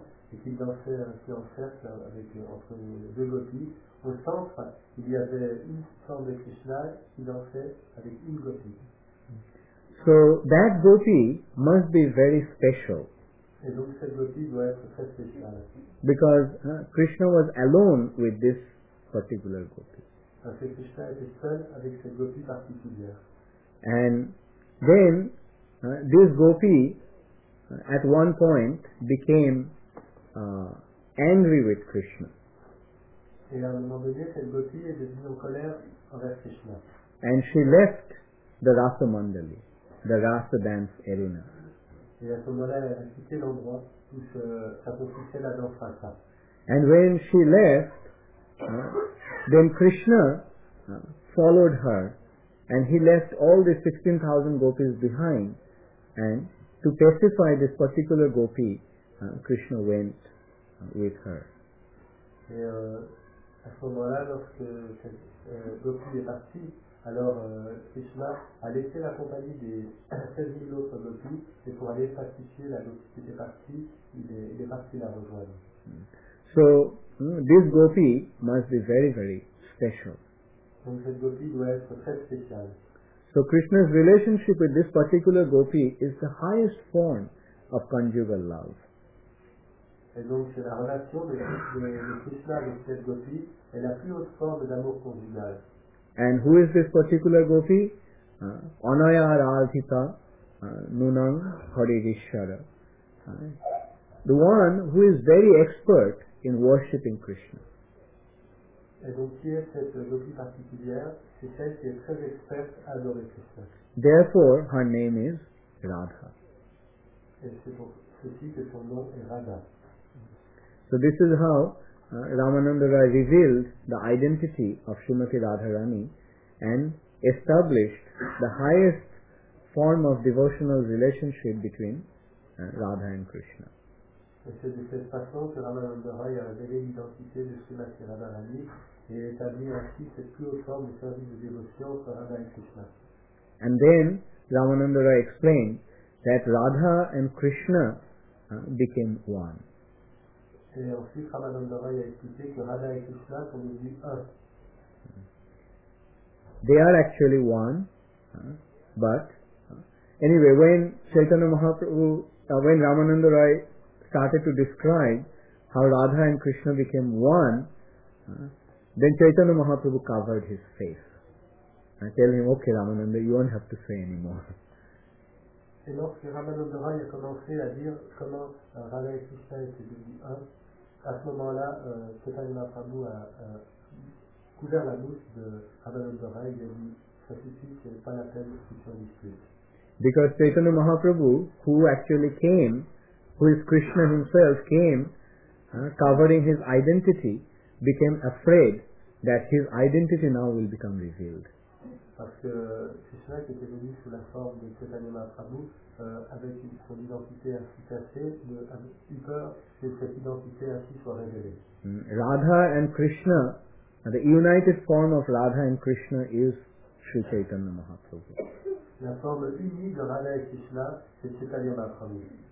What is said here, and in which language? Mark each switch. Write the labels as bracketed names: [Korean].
[French] Et qu'il dansait ainsi en cercle avec, entre les deux gopis. Au centre, il y avait une forme de Krishna qui dansait avec une gopi. [English] So that gopi must be very special. [French] Et donc cette gopi doit être très spéciale. [English] Because Krishna was alone with this particular gopi. [French] Parce que Krishna était seul avec cette gopi particulière. [English] And then this gopi at one point became angry with Krishna. [French] Et à un moment donné, cette gopi est devenue en colère envers Krishna. [English] And she left the Rasa Mandali, the Rasa dance arena. [French] Et à ce moment-là, elle a quitté l'endroit où se s'accomplissait la danse rasa. [English] And when she left, then Krishna followed her, and he left all the 16,000 gopis behind, and to pacify this particular gopi, Krishna went with her. [French] Et à ce moment-là, lorsque cette gopi est partie, alors Krishna a laissé la compagnie des 16,000 autres gopis et pour aller pacifier la gopi qui était partie, il est parti la rejoindre. [English] So this gopi must be very, very special. [French] Donc cette gopi doit être très spéciale. [English] So Krishna's relationship with this particular gopi is the highest form of conjugal love. [French] Et donc c'est la relation de Krishna avec cette gopi est la plus haute forme d'amour conjugal. [English] And who is this particular gopi? [Sanskrit] Anaya Arthita Nunang Hari Rishara. [English] The one who is very expert in worshipping Krishna. [French] Et Et donc qui est cette gopi particulière? C'est celle qui est très experte à adorer Krishna. [English] Therefore, her name is Radha. [French] Et c'est pour ceci que son nom est Radha. [English] So this is how Ramananda Rai revealed the identity of Srimati Radharani and established the highest form of devotional relationship between Radha and Krishna. [French] Et c'est de cette façon que Ramananda Rai a révélé l'identité de Srimati Radharani et établi ainsi cette plus haute forme de service de dévotion entre Radha et Krishna. [English] And then Ramananda Rai explained that Radha and Krishna became one. [French] Et ensuite, Ramananda Rai a expliqué que Radha et Krishna sont devenus un. [English] They are actually one, but anyway, when Chaitanya Mahaprabhu, when Ramananda Rai started to describe how Radha and Krishna became one, then Chaitanya Mahaprabhu covered his face. I tell him, okay, Ramananda, you won't have to say anymore. [French] Et lorsque Ramananda Rai a commencé à dire comment Radha et Krishna étaient devenus un, à ce moment-là, Chaitanya Mahaprabhu a couvert la bouche de Ramananda Rai et a dit, ça suffit, ce n'est pas la peine de se discuter. [English] Because Chaitanya Mahaprabhu, who actually came, who is Krishna himself, came covering his identity, became afraid that his identity now will become revealed. [French] Parce que Krishna, qui était venu sous la forme de Chaitanya Mahaprabhu, avec son identité ainsi cachée, avait eu peur que cette identité ainsi soit révélée. [English] Radha and Krishna, the united form of Radha and Krishna is Sri Chaitanya Mahaprabhu. [French] La forme unie de Radha et Krishna, c'est Chaitanya Mahaprabhu.